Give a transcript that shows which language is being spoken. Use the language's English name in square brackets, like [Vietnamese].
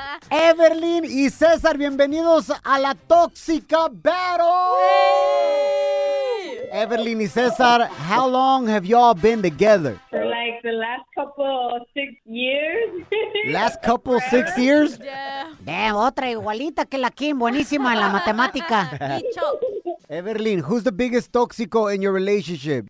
[Spanish] Everlyn y César, bienvenidos a la Tóxica Battle. [English] Everlyn y César, how long have y'all been together? For like the last couple, 6 years. Last couple, forever? 6 years? Yeah. [Spanish] Damn, otra igualita que la Kim, buenísima en la matemática. [English] Everlyn, who's the biggest toxico in your relationship?